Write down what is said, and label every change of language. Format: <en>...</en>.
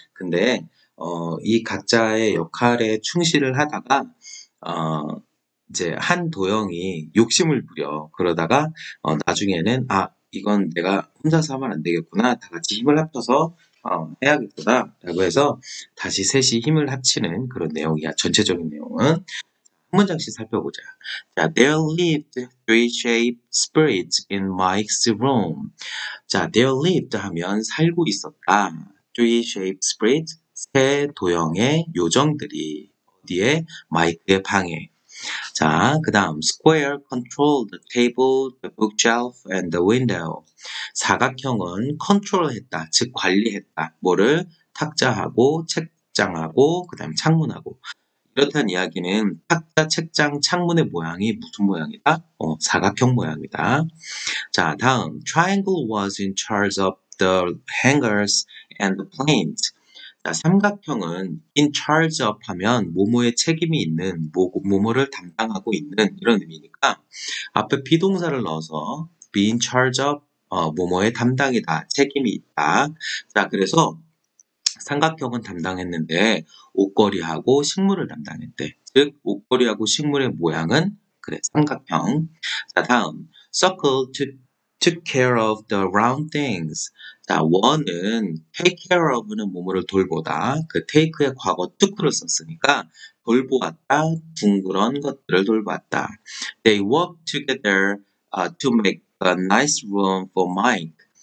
<ko>근데 이 각자의 역할에 충실을 하다가 이제 한 도형이 욕심을 부려. 그러다가 나중에는 아, 이건 내가 혼자서 하면 안 되겠구나. 다 같이 힘을 합쳐서 해야겠구나라고 해서 다시 셋이 힘을 합치는 그런 내용이야. 전체적인 내용은 한 문장씩 살펴보자.</ko> <en>자, there lived three shape spirits in Mike's room.</en> <ko>자,</ko> <en>there lived</en> <ko>하면 살고 있었다.</ko> <en>three shape spirits</en> <ko>세 도형의 요정들이 어디에? 마이크의 방에. 자, 그 다음</ko> <en>square controlled the table, the bookshelf, and the window.</en> <ko>사각형은 컨트롤 했다, 즉 관리했다. 뭐를? 탁자하고 책장하고 그 다음 창문하고. 이렇다는 이야기는 탁자, 책장, 창문의 모양이 무슨 모양이다? 사각형 모양이다.</ko> <en>자, 다음 triangle was in charge of the hangers and the paint.</en> <ko>자, 삼각형은</ko> <en>in charge of</en> <ko>하면 뭐뭐에 책임이 있는, 뭐뭐를 담당하고 있는 이런 의미니까 앞에 비동사를 넣어서</ko> <en>be in charge of</en> <ko>뭐뭐의 담당이다, 책임이 있다. 자, 그래서 삼각형은 담당했는데 옷걸이하고 식물을 담당했대. 즉, 옷걸이하고 식물의 모양은 그래, 삼각형.</ko> <en>자, 다음 circle took care of the round things.</en> <ko>자, one은</ko> <en>take care of</en> <ko>는 몸을 돌보다, 그 take의 과거 took를 썼으니까 돌보았다, 둥그런 것들을 돌봤다.</ko> <en>They worked together to make a nice room for Mike.</en>